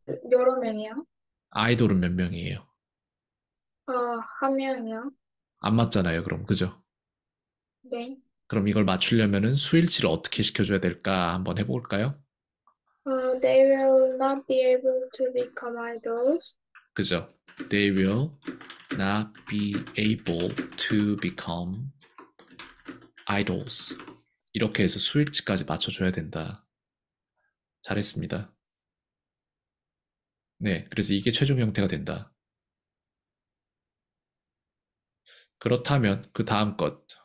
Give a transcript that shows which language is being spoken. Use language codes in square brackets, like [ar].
[ko] 여러 명이요? 아이돌은 몇 명이에요? 한 명이요? 안 맞잖아요, 그럼. 그죠? 네. 그럼 이걸 맞추려면은 수일치를 어떻게 시켜줘야 될까 한번 해볼까요? [en] They will not be able to become idols. [ko] 그죠? [en] They will not be able to become idols. [ko] 이렇게 해서 수일치까지 맞춰줘야 된다. 잘했습니다. 네, 그래서 이게 최종 형태가 된다. 그렇다면, 그 다음 것.